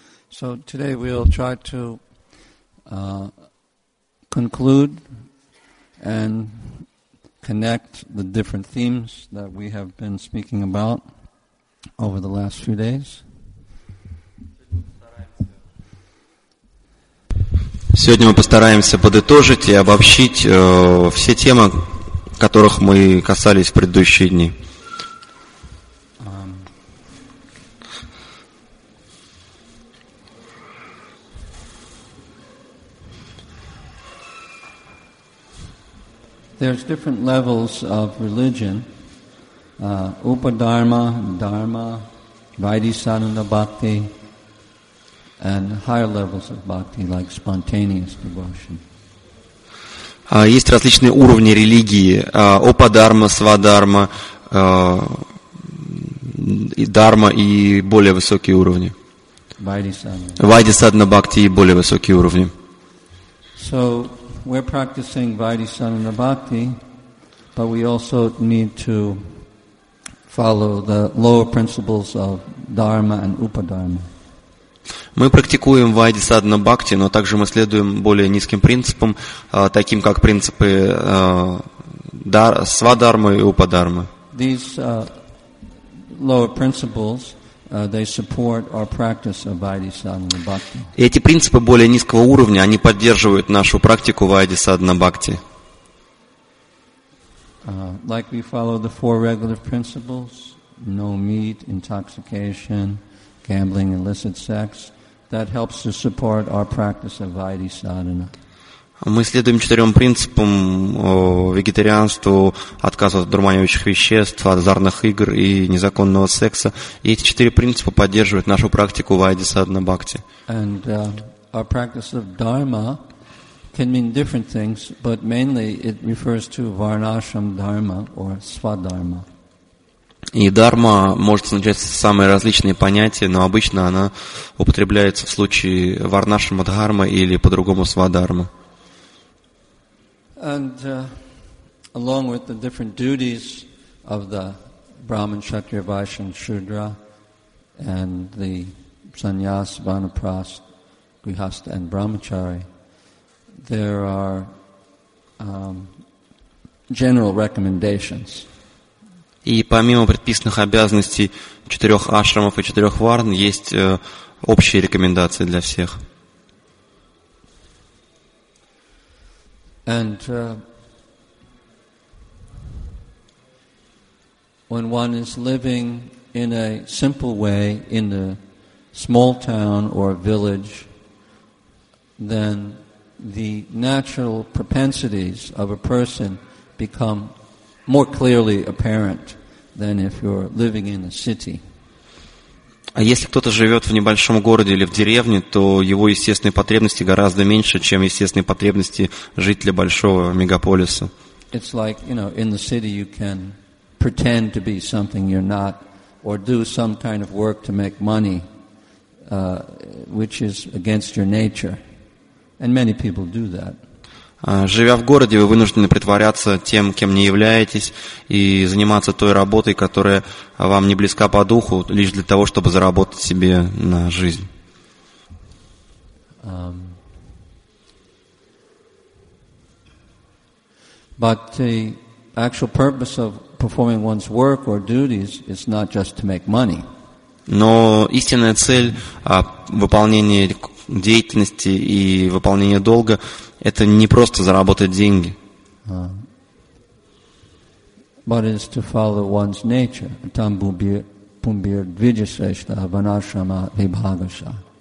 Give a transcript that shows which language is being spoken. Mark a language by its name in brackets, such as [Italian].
[English] So today we'll try to conclude and connect the different themes that we have been speaking about over the last few days. [Russian] Сегодня мы постараемся подытожить и обобщить все темы, которых мы касались в предыдущие дни. [English] There's different levels of religion. Upadharma, dharma, vaidisananda bhakti, and higher levels of bhakti like spontaneous devotion. [Russian] Есть различные уровни религии. Упадхарма, свадхарма, и дхарма и более высокие уровни. Vaidisananda bhakti и более высокие уровни. [English] So we're practicing Vaidisananda Bhakti, but we also need to follow the lower principles of Dharma and Upadharma. [Russian] Мы практикуем Vaidisananda Bhakti, но также мы следуем более низким принципам, таким как принципы Свадхармы и Упадхармы. [English] These lower principles, they support our practice of Vaidisananda Bhakti. [Russian] Эти принципы более низкого уровня, они поддерживают нашу практику Vaidisananda Bhakti. [English] Like we follow the four regular principles, no meat, intoxication, gambling, illicit sex, that helps to support our practice of Vaidisananda. [Russian] Мы следуем четырем принципам вегетарианству, отказу от дурманивающих веществ, азартных игр и незаконного секса. И эти четыре принципа поддерживают нашу практику Vaidisananda Bhakti. [English] And our practice of dharma can mean different things, but mainly it refers to varnashram dharma or svadharma. [Russian] И дхарма может означать самые различные понятия, но обычно она употребляется в случае варнашрама дхарма или по-другому свадхарма. [English] And along with the different duties of the Brahman, Kshatriya, Vaishya, and Shudra, and the Sannyas, Vanaprast, Grihastha, and Brahmachari, there are general recommendations. [Russian] И помимо предписанных обязанностей четырех ашрамов и четырех варн, есть общие рекомендации для всех. [English] And when one is living in a simple way in a small town or a village, then the natural propensities of a person become more clearly apparent than if you're living in a city. [Russian] А если кто-то живет в небольшом городе или в деревне, то его естественные потребности гораздо меньше, чем естественные потребности жителя большого мегаполиса. [English] It's like, you know, in the city you can pretend to be something you're not, or do some kind of work to make money, which is against your nature. And many people do that. [Russian] Живя в городе, вы вынуждены притворяться тем, кем не являетесь, и заниматься той работой, которая вам не близка по духу, лишь для того, чтобы заработать себе на жизнь. [English] But the actual purpose of performing one's work or duties is not just to make money. [Russian] Но истинная цель выполнения деятельности и выполнения долга — это не просто заработать деньги. [English] But it is to follow one's nature. [Sanskrit] Tam pumbir dvijasrishta vanashrama vibhagasha.